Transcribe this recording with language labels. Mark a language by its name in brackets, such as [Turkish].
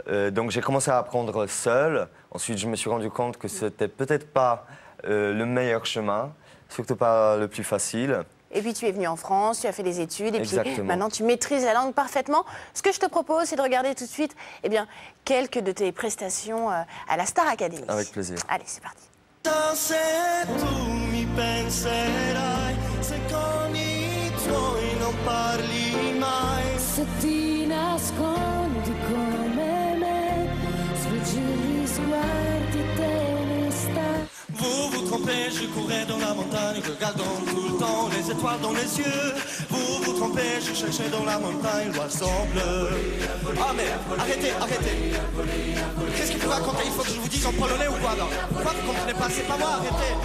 [French] Donc j'ai commencé à apprendre seul. Ensuite, je me suis rendu compte que c'était peut-être pas le meilleur chemin, surtout pas le plus facile. Et puis tu es venu en France, tu as fait des études, et exactement. Puis maintenant tu maîtrises la langue parfaitement. Ce que je te propose, c'est de regarder tout de suite eh bien, quelques de tes prestations à la Star Academy. Avec plaisir. Allez, c'est parti. [Italian] Se tu mi penserai, se con i tuoi non parli mai, se ti nascondi come me, sfuggi gli sguardi, te ne stai. [French] Vous vous trompez, je courais dans la montagne, regardant tout le temps les étoiles dans les yeux. Vous vous trompez, je cherchais dans la montagne l'oiseau bleu. Ah mais arrêtez. Qu'est-ce que vous racontez? Il faut que je vous dise en polonais ou quoi? Non, quoi, vous comprenez pas? C'est pas moi, arrêtez.